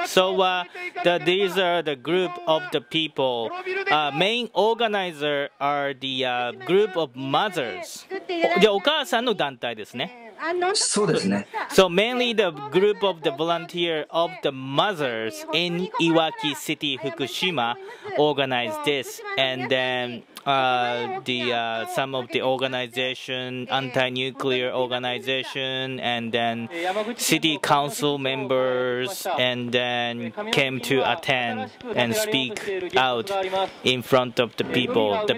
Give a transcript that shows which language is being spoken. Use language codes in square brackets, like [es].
[en] So, these are the group of the people. Main organizer are the group of mothers. [ja] で、お母さんの団体ですね。そうですね。 [en] So, mainly the group of the volunteer of the mothers in Iwaki City, Fukushima organized this. And then,some of the organization, anti-nuclear organization, and then city council members, and then came to attend and speak out in front of the people.